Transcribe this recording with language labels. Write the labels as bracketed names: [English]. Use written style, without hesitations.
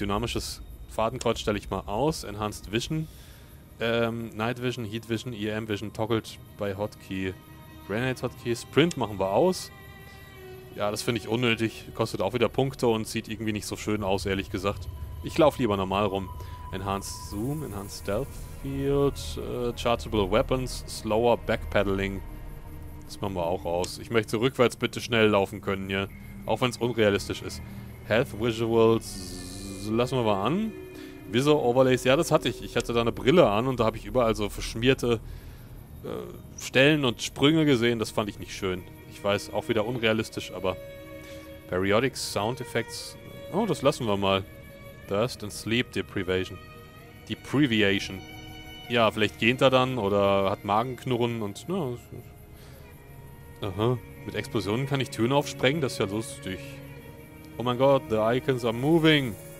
[German] Dynamisches Fadenkreuz stelle ich mal aus. Enhanced Vision. Night Vision, Heat Vision, EM Vision toggelt bei Hotkey. Grenade Hotkey, Sprint machen wir aus. Ja, das finde ich unnötig. Kostet auch wieder Punkte und sieht irgendwie nicht so schön aus, ehrlich gesagt. Ich laufe lieber normal rum. Enhanced Zoom, Enhanced Stealth Field, Chargeable Weapons, Slower Backpedaling. Das machen wir auch aus. Ich möchte rückwärts bitte schnell laufen können hier. Auch wenn es unrealistisch ist. Health Visuals, lassen wir mal an. Visor Overlays, ja, das hatte ich. Ich hatte da eine Brille an und da habe ich überall so verschmierte Stellen und Sprünge gesehen, das fand ich nicht schön. Ich weiß, auch wieder unrealistisch, aber Periodic Sound Effects, oh, das lassen wir mal. Dust and Sleep Deprivation. Deprivation. Ja, vielleicht gähnt er dann oder hat Magenknurren und, na, aha. Mit Explosionen kann ich Türen aufsprengen, das ist ja lustig. Oh mein Gott, [English] the icons are moving.